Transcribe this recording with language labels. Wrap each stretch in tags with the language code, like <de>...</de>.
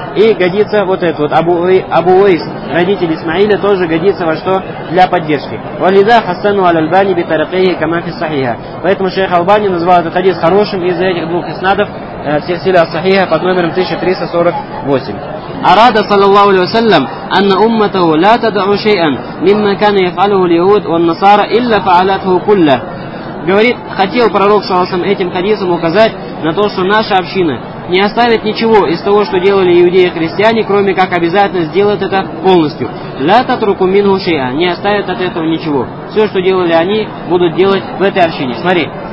<ru>И годится вот этот вот Абу Уэйс, родитель Исмаиля, тоже годится во что? Для поддержки.</ru> <ar>Валида Хасану Аль-Альбани Битарафейхи Камахи Сахиха.</ar> <ru>Поэтому шейх Албани назвал этот хадис хорошим из-за этих двух иснадов Сихсиля Сахиха под номером 1348.</ru> <ar>أراد صلى الله عليه وسلم أن أمته لا تدع شيئا مما كان يفعله اليهود والنصارى إلا فعلته كله.</ar> <ru>Говорит, хотел пророк صلى الله عليه وسلم этим хадисом указать на то, что наша община не оставит ничего из того, что делали иудеи и христиане, кроме как обязательно сделать это полностью.</ru> <ar>لا تترك منه شيئا.</ar> <ru>Не оставят от этого ничего. Все, что делали они, будут делать в этой общине. Смотри.</ru>